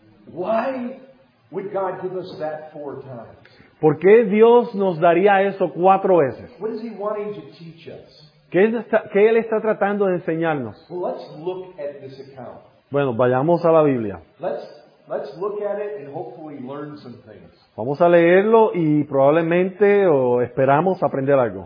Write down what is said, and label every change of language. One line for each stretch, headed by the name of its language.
English: Why would God give us that four times?
Spanish: ¿Por qué Dios nos daría eso cuatro veces?
English: What is he wanting to teach us?
Spanish: ¿Qué él está tratando de enseñarnos?
English: Well, let's look at this account.
Spanish: Bueno, vayamos a la Biblia.
English: Let's look at it and hopefully learn some things.
Spanish: Vamos a leerlo y probablemente o esperamos aprender algo.